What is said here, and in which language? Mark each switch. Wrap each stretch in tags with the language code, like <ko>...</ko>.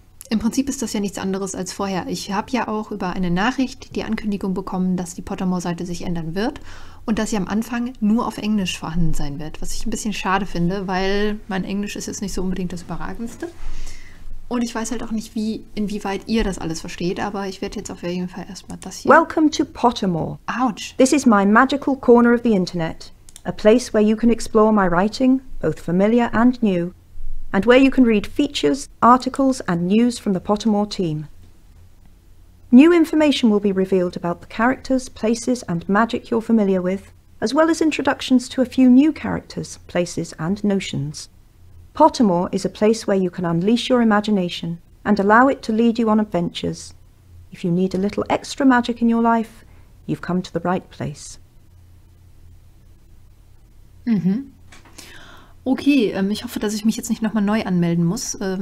<de>Im Prinzip ist das ja nichts anderes als vorher. Ich habe ja auch über eine Nachricht die Ankündigung bekommen, dass die Pottermore-Seite sich ändern wird und dass sie am Anfang nur auf Englisch vorhanden sein wird, was ich ein bisschen schade finde, weil mein Englisch ist jetzt nicht so unbedingt das Überragendste. Und ich weiß halt auch nicht, inwieweit ihr das alles versteht, aber ich werde jetzt auf jeden Fall erstmal das hier.</de> <en>Welcome to Pottermore.</en> <de>Autsch!</de> <en>This is my magical corner of the internet, a place where you can explore my writing, both familiar and new, and where you can read features, articles and news from the Pottermore team. New information will be revealed about the characters, places and magic you're familiar with, as well as introductions to a few new characters, places and notions. Pottermore is a place where you can unleash your imagination and allow it to lead you on adventures. If you need a little extra magic in your life, you've come to the right place.</en> <de>Okay, ich hoffe, dass ich mich jetzt nicht nochmal neu anmelden muss.</de>